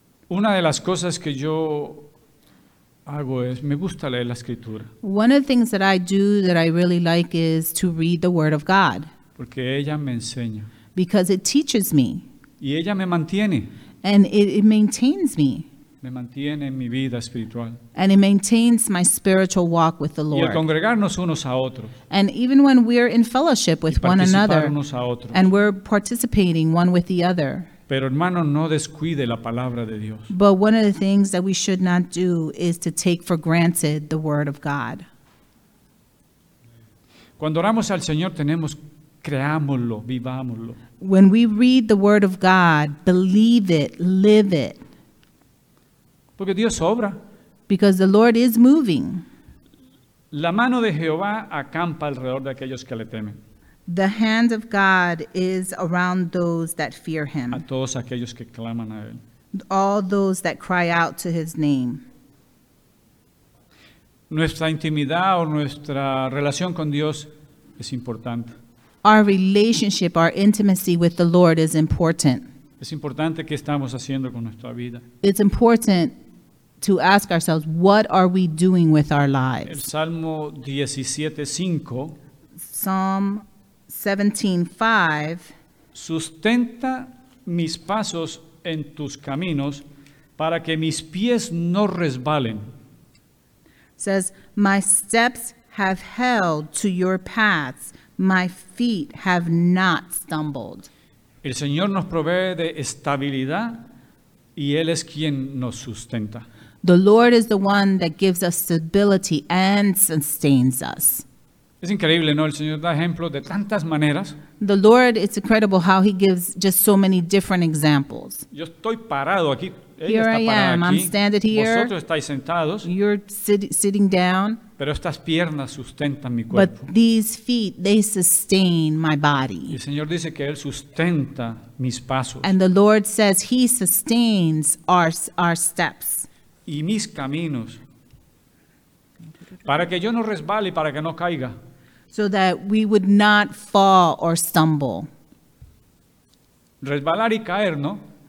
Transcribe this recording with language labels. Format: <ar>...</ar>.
<es>Una de las cosas que yo hago es, me gusta leer la Escritura.</es> <en>One of the things that I do that I really like is to read the Word of God.</en> <es>Porque ella me enseña.</es> <en>Because it teaches me.</en> <es>Y ella me mantiene.</es> <en>And it maintains me.</en> <es>Me mantiene en mi vida espiritual.</es> <en>And it maintains my spiritual walk with the Lord.</en> <es>Y el congregarnos unos a otros.</es> <en>And even when we're in fellowship with one another.</en> <es>Unos a otros.</es> <en>And we're participating one with the other.</en> <es>Pero hermano, no descuide la palabra de Dios.</es> <en>But one of the things that we should not do is to take for granted the word of God.</en> <es>Cuando oramos al Señor, tenemos, creámoslo, vivámoslo.</es> <en>When we read the word of God, believe it, live it.</en> <es>Porque Dios obra.</es> <en>Because the Lord is moving.</en> <es>La mano de Jehová acampa alrededor de aquellos que le temen.</es> <en>The hand of God is around those that fear him.</en> <es>A todos aquellos que claman a él.</es> <en>All those that cry out to his name.</en> <es>Nuestra intimidad o nuestra relación con Dios es importante.</es> <en>Our relationship, our intimacy with the Lord is important.</en> <es>Es importante qué estamos haciendo con nuestra vida.</es> <en>It's important to ask ourselves, what are we doing with our lives?</en> <es>El Salmo 17:5.</es> <en>Psalm 17:5.</en> <es>Sustenta mis pasos en tus caminos para que mis pies no resbalen.</es> <en>Says, my steps have held to your paths, my feet have not stumbled.</en> <es>El Señor nos provee de estabilidad y Él es quien nos sustenta.</es> <en>The Lord is the one that gives us stability and sustains us.</en> <es>Es increíble, ¿no? El Señor da ejemplos de tantas maneras.</es> <en>The Lord, it's incredible how he gives just so many different examples.</en> <es>Yo estoy parado aquí.</es> <en>Here</en> <es>ella está</es> <en>I am,</en> <es>aquí.</es> <en>I'm standing here.</en> <es>Vosotros estáis sentados.</es> <en>You're sitting down.</en> <es>Pero estas piernas sustentan mi cuerpo.</es> <en>But these feet, they sustain my body.</en> <es>El Señor dice que Él sustenta mis pasos.</es> <en>And the Lord says he sustains our steps.</en> <es>Y mis caminos. Para que yo no resbale, para que no caiga.</es> <en>So that we would not fall or stumble.</en> <es>Resbalar y caer, ¿no?</es>